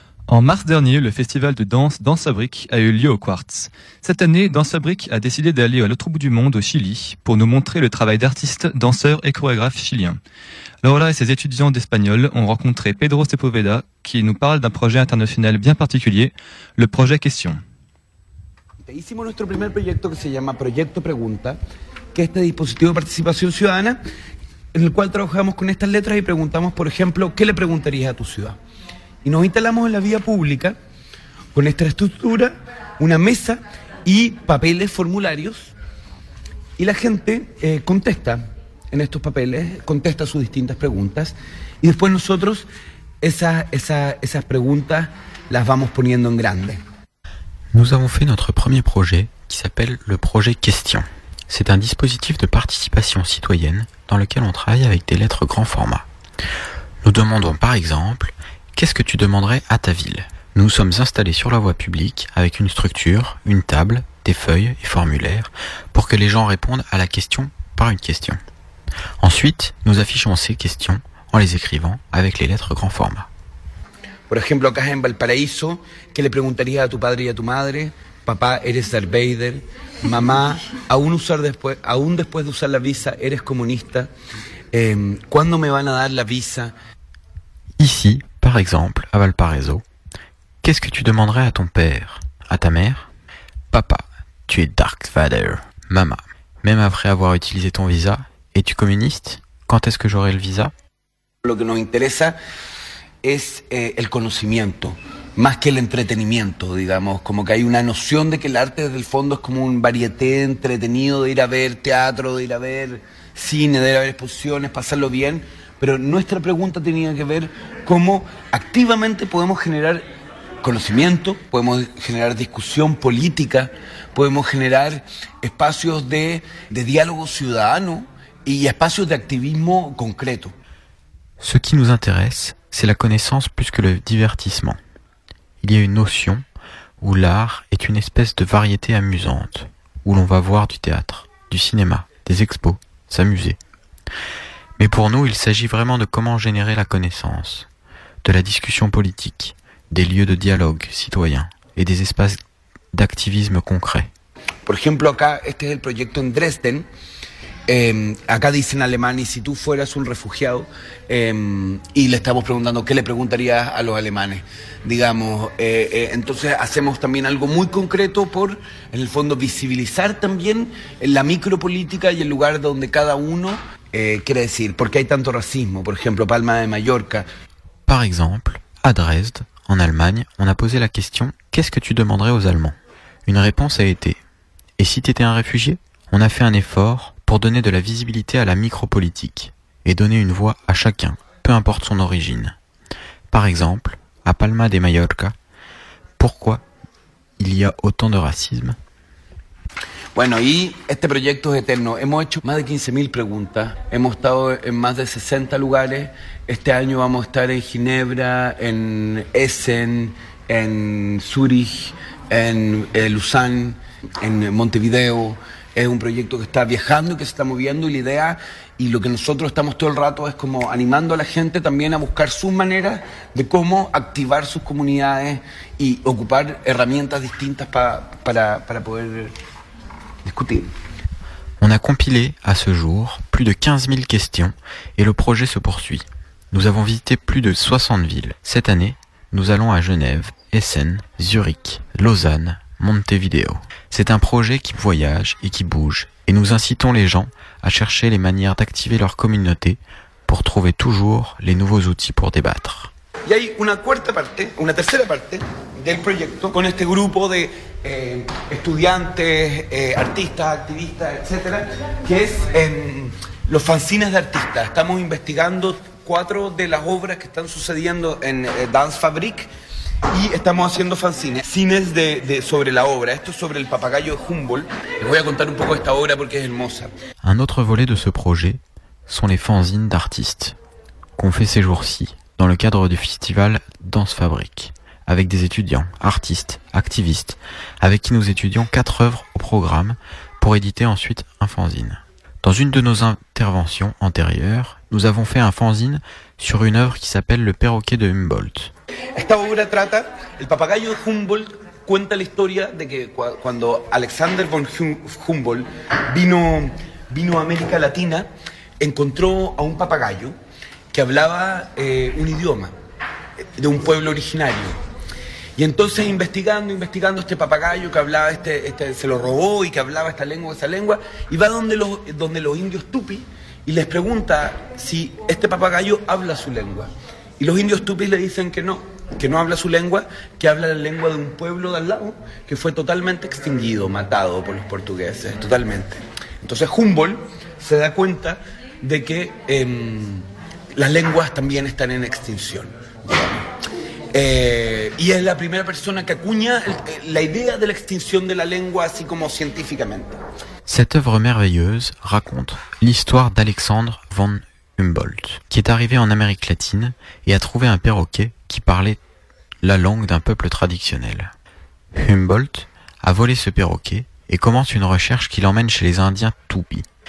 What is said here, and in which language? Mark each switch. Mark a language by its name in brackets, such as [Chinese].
[French] En mars dernier, le festival de danse Dansfabrique a eu lieu au Quartz. Cette année, Dansfabrique a décidé d'aller à l'autre bout du monde, au Chili, pour nous montrer le travail d'artistes, danseurs et chorégraphes chiliens. Laura et ses étudiants d'espagnol ont rencontré Pedro Sepúlveda, qui nous parle d'un projet international bien particulier, le projet Question. [Spanish] Hicimos nuestro primer proyecto que se llama Proyecto Pregunta, que es este dispositivo de participación ciudadana, en el cual trabajamos con estas letras y preguntamos, por ejemplo, ¿qué le preguntarías a tu ciudad? Y nos instalamos en la vía pública con esta estructura, una mesa y papeles, formularios. Y la gente contesta en estos papeles, contesta sus distintas preguntas. Y después nosotros esas preguntas las vamos poniendo en grande. [French] Nous avons fait notre premier projet qui s'appelle le projet Question. C'est un dispositif de participation citoyenne dans lequel on travaille avec des lettres grand format. Nous demandons par exemple... Qu'est-ce que tu demanderais à ta ville ? Nous sommes installés sur la voie publique avec une structure, une table, des feuilles et formulaires pour que les gens répondent à la question par une question. Ensuite, nous affichons ces questions en les écrivant avec les lettres grand format. [Spanish] Por ejemplo, acá en Valparaíso, ¿qué le preguntarías a tu padre y a tu madre? Papá, ¿eres Darth Vader? Mamá, ¿aún después de usar la visa, eres comunista? ¿Cuándo me van a dar la visa? [French] Ici, par exemple, à Valparaiso, qu'est-ce que tu demanderais à ton père, à ta mère ? Papa, tu es Darth Vader. Mama, même après avoir utilisé ton visa, es-tu communiste ? Quand est-ce que j'aurai le visa ? [Spanish] Lo que nos interesa es el conocimiento, más que el entretenimiento, digamos. Como que hay una noción de que el arte desde el fondo es como un varieté entretenido de ir a ver teatro, de ir a ver cine, de ir a ver exposiciones, pasarlo bien. Pero nuestra pregunta tenía que ver cómo activamente podemos generar conocimiento, podemos generar discusión política, podemos generar espacios de diálogo ciudadano y espacios de activismo concreto. [French] Ce qui nous intéresse, c'est la connaissance plus que le divertissement. Il y a une notion où l'art est une espèce de variété amusante, où l'on va voir du théâtre, du cinéma, des expos, s'amuser. Mais pour nous, il s'agit vraiment de comment générer la connaissance, de la discussion politique, des lieux de dialogue citoyen et des espaces d'activisme concret. [Spanish] Por ejemplo, acá este es el proyecto en Dresden. Acá dicen alemanes, si tú fueras un refugiado, y le estamos preguntando qué le preguntarías a los alemanes, digamos. Entonces hacemos también algo muy concreto por, en el fondo, visibilizar también la micropolítica y el lugar donde cada uno quiere decir, ¿por qué hay tanto racismo? Por ejemplo, Palma de Mallorca. [French] Par exemple, à Dresde, en Allemagne, on a posé la question « Qu'est-ce que tu demanderais aux Allemands ?» Une réponse a été « Et si tu étais un réfugié ?» On a fait un effort pour donner de la visibilité à la micropolitique et donner une voix à chacun, peu importe son origine. Par exemple, à Palma de Mallorca, pourquoi il y a autant de racisme ? [Spanish] Bueno, y este proyecto es eterno. Hemos hecho más de 15.000 preguntas. Hemos estado en más de 60 lugares. Este año vamos a estar en Ginebra, en Essen, en Zurich, en Lausanne, en Montevideo. Es un proyecto que está viajando y que se está moviendo, y la idea y lo que nosotros estamos todo el rato es como animando a la gente también a buscar sus maneras de cómo activar sus comunidades y ocupar herramientas distintas para poder discutir. [French] On a compilé à ce jour plus de 15.000 questions et le projet se poursuit. Nous avons visité plus de 60 villes. Cette année, nous allons à Genève, Essen, Zurich, Lausanne, Montevideo. C'est un projet qui voyage et qui bouge, et nous incitons les gens à chercher les manières d'activer leur communauté pour trouver toujours les nouveaux outils pour débattre. Il y a une [Spanish] quarta parte, une tercera parte del proyecto con este grupo de estudiantes, artistas, activistas, etcétera, que es los fanzines de artistas. Estamos investigando cuatro de las obras que están sucediendo en Dance Fabric. Y estamos haciendo fanzines, cines de sobre la obra. Esto es sobre el papagayo de Humboldt. Les voy a contar un poco esta obra porque es hermosa. [French] Un autre volet de ce projet sont les fanzines d'artistes qu'on fait ces jours-ci dans le cadre du festival Danse Fabrique, avec des étudiants, artistes, activistes, avec qui nous étudions quatre œuvres au programme pour éditer ensuite un fanzine. Dans une de nos interventions antérieures, nous avons fait un fanzine sur une œuvre qui s'appelle Le perroquet de Humboldt. [Spanish] Esta obra trata, el papagayo de Humboldt cuenta la historia de que cuando Alexander von Humboldt vino a América Latina, encontró a un papagayo que hablaba un idioma de un pueblo originario. Y entonces investigando este papagayo que hablaba este se lo robó y que hablaba esa lengua, y va donde los indios tupi y les pregunta si este papagayo habla su lengua. Y los indios tupis le dicen que no habla su lengua, que habla la lengua de un pueblo de al lado que fue totalmente extinguido, matado por los portugueses, totalmente. Entonces Humboldt se da cuenta de que las lenguas también están en extinción. Y es la primera persona que acuña la idea de la extinción de la lengua así como científicamente. [French] Cette œuvre merveilleuse raconte l'histoire d'Alexandre von Humboldt, qui est arrivé en Amérique latine et a trouvé un perroquet qui parlait la langue d'un peuple traditionnel. Humboldt a volé ce perroquet et commence une recherche qui l'emmène chez les Indiens Tupi.